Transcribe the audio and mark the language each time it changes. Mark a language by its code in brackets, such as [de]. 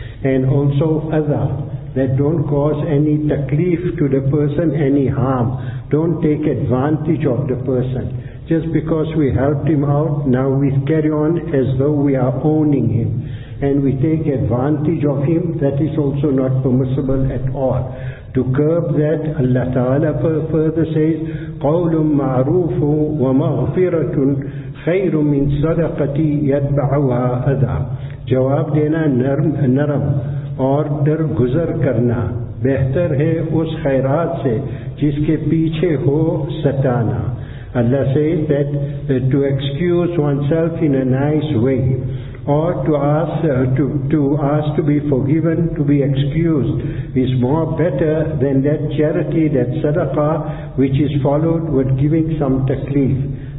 [en] And also adha, that don't cause any taklif to the person, any harm. Don't take advantage of the person. Just because we helped him out, now we carry on as though we are owning him. And we take advantage of him, that is also not permissible at all. To curb that, Allah Ta'ala further says, [ar] قَوْلٌ مَعْرُوفٌ وَمَغْفِرَةٌ خَيْرٌ مِنْ صَدَقَةِ يَتْبَعُهَا أَذَى. [ur] جواب دینا نرم اور در گزر کرنا بہتر ہے اس خیرات سے جس کے پیچھے ہو ستانا. [en] Allah says that to excuse oneself in a nice way, or to ask to be forgiven, to be excused, is more better than that charity, that sadaqah, which is followed with giving some taklif.